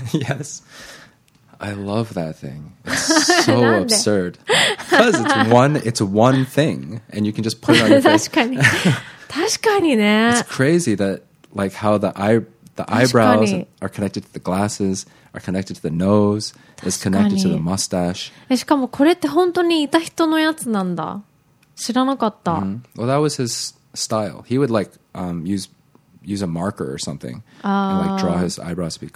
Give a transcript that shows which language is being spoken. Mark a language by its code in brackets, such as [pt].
[en] yes. I love that thing. It's so absurd. Because it's one thing. And you can just put it on your face. [ja] 確かにね. [en] It's crazy that like how the eyebrows are connected to the glasses, are connected to the nose, is connected to the mustache. [ja] しかもこれって本当にいた人のやつなんだ。知らなかった。 [en] Well, that was his style. He would like use a marker or something and like draw his eyebrows to be crazy.